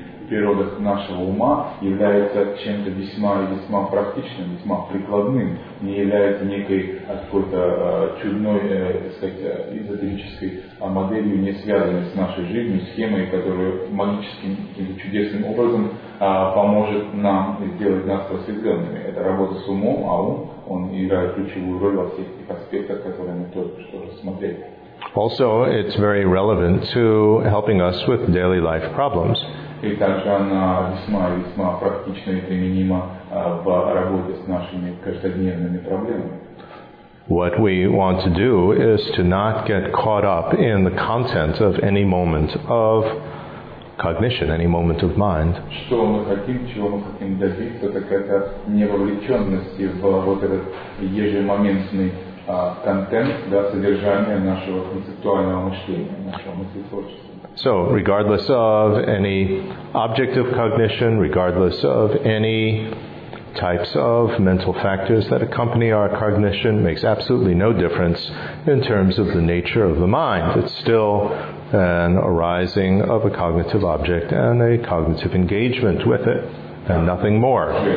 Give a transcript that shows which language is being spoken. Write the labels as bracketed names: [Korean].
[Russian] Природа нашего ума является чем-то весьма и весьма практичным, весьма прикладным, не является некой какой-то чудной, так сказать, эзотерической моделью, не связанной с нашей жизнью, схемой, которая магическим или чудесным образом поможет нам сделать нас просветленными. Это работа с умом, а ум, он играет ключевую роль во всех этих аспектах, которые мы только что рассмотрели. [English] Also, it's very relevant to helping us with daily life problems. [Russian] И также она весьма и весьма практична и применима в работе с нашими каждодневными проблемами. [English] What we want to do is to not get caught up in the content of any moment of cognition, any moment of mind. [Russian] Что мы хотим, чего мы хотим добиться, так это не вовлеченности в вот этот ежемоментный контент, да, содержание нашего концептуального мышления, нашего мыслетворчества. [English] So, regardless of any object of cognition, regardless of any types of mental factors that accompany our cognition, makes absolutely no difference in terms of the nature of the mind. It's still an arising of a cognitive object and a cognitive engagement with it, and nothing more.